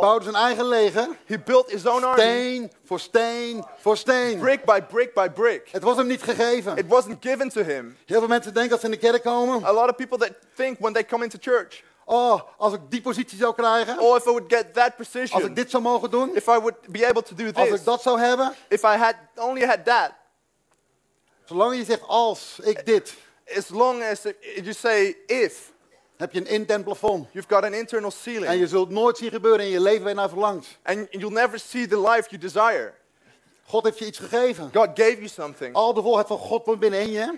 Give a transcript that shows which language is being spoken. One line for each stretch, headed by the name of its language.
Dutch: bouwde zijn eigen leger.
English: He built his own
Dutch: steen army. Voor steen voor steen.
English: Brick by brick by brick.
Dutch: Het was hem niet gegeven.
English: It wasn't given to him.
Dutch: Heel veel mensen denken als ze in de kerk komen.
English: A lot of people that think when they come into church.
Dutch: Oh, als ik die positie zou krijgen.
English: Or if I would get that position.
Dutch: Als ik dit zou mogen doen.
English: If I would be able to do this.
Dutch: Als ik dat zou hebben.
English: If I had only had that.
Dutch: Zolang je zegt als ik dit.
English: As long as you say if.
Dutch: Heb je een intern plafond.
English: You've got an internal ceiling.
Dutch: En je zult nooit zien gebeuren in je leven waar je naar verlangt.
English: And you'll never see the life you desire.
Dutch: God heeft je iets gegeven.
English: God gave you something.
Dutch: Al de volheid van God woont binnen je.